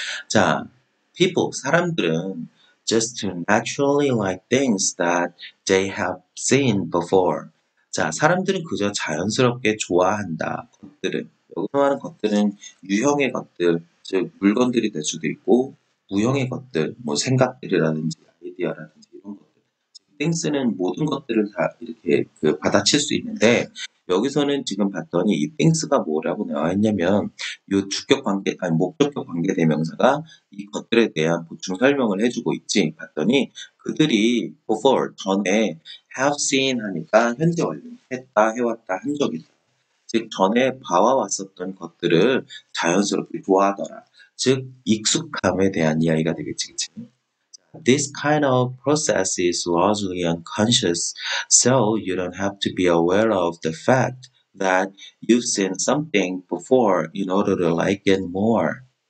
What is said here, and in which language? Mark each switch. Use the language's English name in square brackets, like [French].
[English] 자, people, [Korean] 사람들은 [English] just naturally like things that they have seen before. [Korean] 자, 사람들은 그저 자연스럽게 좋아한다, 것들은. 여기서 말하는 것들은 유형의 것들, 즉 물건들이 될 수도 있고, 무형의 것들, 뭐 생각들이라든지 아이디어라든지 띵스는 모든 것들을 다 이렇게 받아칠 수 있는데, 여기서는 지금 봤더니 이 띵스가 뭐라고 나와 있냐면, 요 주격 관계, 아니 목적격 관계 대명사가 이 것들에 대한 보충 설명을 해주고 있지. 봤더니 그들이 before, 전에 have seen 하니까 현재 완료, 했다, 해왔다, 한 적이다. 즉 전에 봐왔었던 것들을 자연스럽게 좋아하더라. 즉 익숙함에 대한 이야기가 되겠지, 그치? [English] This kind of process is largely unconscious, so you don't have to be aware of the fact that you've seen something before in order to like it more.